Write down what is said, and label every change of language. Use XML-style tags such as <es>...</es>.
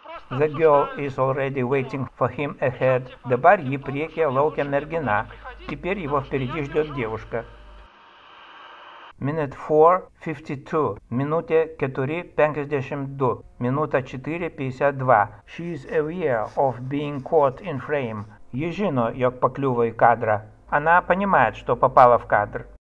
<en>The girl is already waiting for him ahead.</en> <lt>Dabar jį priekyje laukia mergina.</lt> <ru>Теперь его впереди ждет девушка.</ru> <en>Minute 4:52. Minutė 4:52. Minuta 4:52. She is aware of being caught in frame.</en> <lt>Ji žino, jog pakliuvo į kadrą.</lt> <ru>Она понимает, что попала в кадр.</ru>